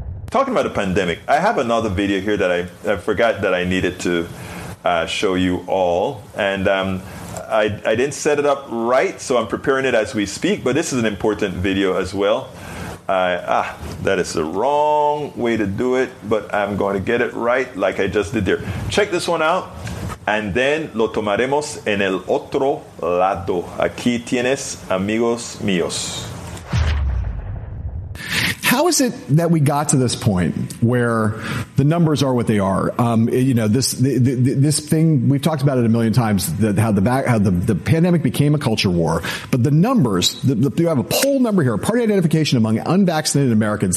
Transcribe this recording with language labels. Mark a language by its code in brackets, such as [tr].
[en] Talking about a pandemic, I have another video here that I forgot that I needed to show you all. And I didn't set it up right, so I'm preparing it as we speak. But this is an important video as well. That is the wrong way to do it, but I'm going to get it right like I just did there. Check this one out. And then [es] lo tomaremos en el otro lado. Aquí tienes, amigos míos. [en] How is it that we got to this point where the numbers are what they are? This thing, we've talked about it a million times, that how the pandemic became a culture war. But the numbers, you have a poll number here, party identification among unvaccinated Americans.